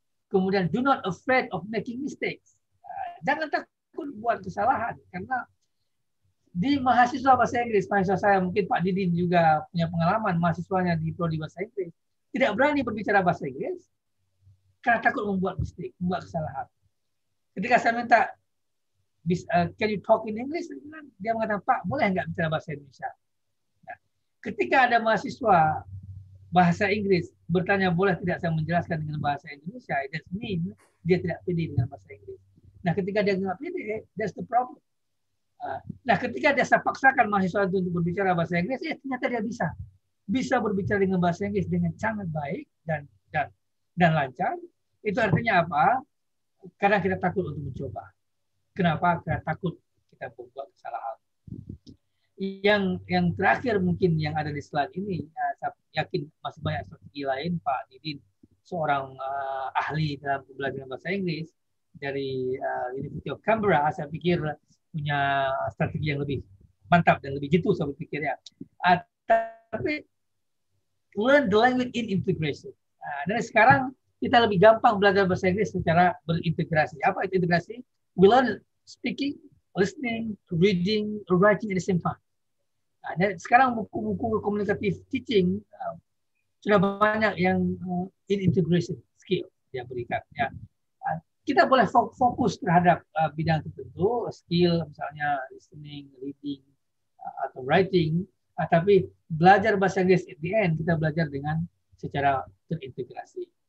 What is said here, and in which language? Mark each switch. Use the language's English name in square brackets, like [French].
[Indonesian] Kemudian, [English] do not afraid of making mistakes. [Indonesian] Jangan takut buat kesalahan. Karena di mahasiswa bahasa Inggris, mahasiswa saya, mungkin Pak Didin juga punya pengalaman, mahasiswanya di prodi bahasa Inggris, tidak berani berbicara bahasa Inggris karena takut membuat mistik, membuat kesalahan. Ketika saya minta, [English] can you talk in English? [Indonesian] Dia mengatakan, Pak, boleh nggak bicara bahasa Indonesia? Nah, ketika ada mahasiswa bahasa Inggris bertanya, boleh tidak saya menjelaskan dengan bahasa Indonesia? [English] That means [Indonesian] dia tidak pede dengan bahasa Inggris. Nah, ketika dia tidak pede, [English] that's the problem. [Indonesian] Nah, ketika dia paksakan mahasiswa itu untuk berbicara bahasa Inggris, ternyata dia bisa. Bisa berbicara dengan bahasa Inggris dengan sangat baik dan lancar. Itu artinya apa? Kadang kita takut untuk mencoba. Kenapa? Karena takut kita membuat kesalahan. Yang terakhir mungkin yang ada di slide ini, ya, saya yakin masih banyak strategi lain, Pak Didin, seorang ahli dalam pembelajaran bahasa Inggris dari University of Canberra, saya pikir punya strategi yang lebih mantap dan lebih jitu, saya pikir ya. [English] Tapi, learn the language in integration. [Indonesian] Dari sekarang, kita lebih gampang belajar bahasa Inggris secara berintegrasi. Apa itu integrasi? [English] We learn speaking, listening, reading, writing at the same time. [Indonesian] Nah, dan sekarang buku-buku komunikatif teaching sudah banyak yang in integration skill yang berikan. Ya. Kita boleh fokus terhadap bidang tertentu, skill misalnya listening, reading, atau writing, tapi belajar bahasa Inggris [English] at the end, [Indonesian] kita belajar dengan secara terintegrasi.